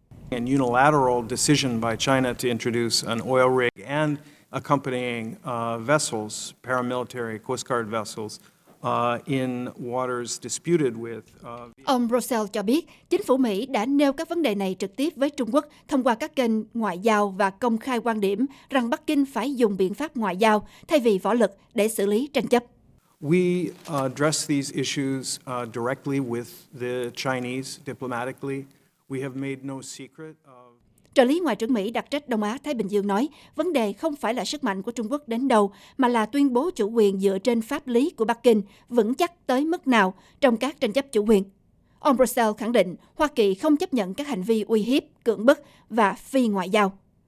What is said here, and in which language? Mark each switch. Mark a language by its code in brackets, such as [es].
[en] An unilateral decision by China to introduce an oil rig and accompanying vessels, paramilitary Coast Guard vessels, in waters disputed with. [vi] Ông Russell cho biết chính phủ Mỹ đã nêu các vấn đề này trực tiếp với Trung Quốc thông qua các kênh ngoại giao và công khai quan điểm rằng Bắc Kinh phải dùng biện pháp ngoại giao thay vì võ lực để xử lý tranh chấp. [en] We address these issues directly with the Chinese diplomatically. We have made no secret of... [vi] Trợ lý Ngoại trưởng Mỹ đặc trách Đông Á-Thái Bình Dương nói, vấn đề không phải là sức mạnh của Trung Quốc đến đâu, mà là tuyên bố chủ quyền dựa trên pháp lý của Bắc Kinh vững chắc tới mức nào trong các tranh chấp chủ quyền. Ông Russell khẳng định, Hoa Kỳ không chấp nhận các hành vi uy hiếp, cưỡng bức và phi ngoại giao.